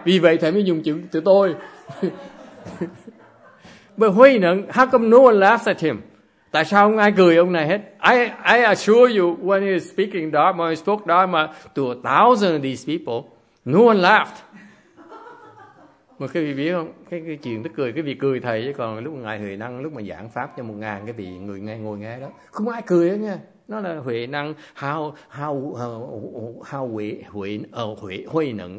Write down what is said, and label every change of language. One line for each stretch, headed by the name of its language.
Vietnamese: Vì vậy thầy mới dùng chữ tôi.
English: But Huy Nhẫn, how come no one laughs at him?
Vietnamese: Tại sao không ai cười ông này hết?
English: I assure you, when he was speaking Dharma, he spoke Dharma to a thousand of these people, no one laughed.
Vietnamese: Mà quý vị biết không? Cái chuyện tức cười, cái vị cười thầy, chứ còn lúc ngài Huy Năng, lúc mà giảng pháp cho 1,000 cái vị người nghe ngồi nghe đó, không ai cười hết nha. Nó là huệ năng, how huệ năng